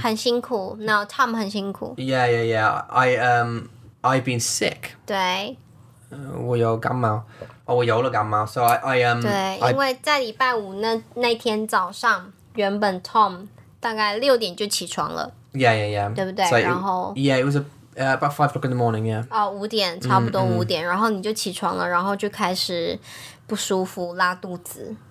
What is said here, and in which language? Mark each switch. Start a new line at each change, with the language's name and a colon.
Chinese: 很辛苦 no 他们很辛苦
English: yeah yeah yeah I've been sick
Chinese: 对我有感冒、oh, 我有了感冒
English: so I
Chinese: 对因为在礼拜五 那天早上原本 Tom 大概六点就起床了
English: yeah yeah yeah
Chinese: 对不对、
English: so、
Chinese: 然后
English: yeah it was about 5 o'clock in the morning yeah
Chinese: 五点差不多五点、mm-hmm. 然后你就起床了然后就开始不舒服，拉肚子。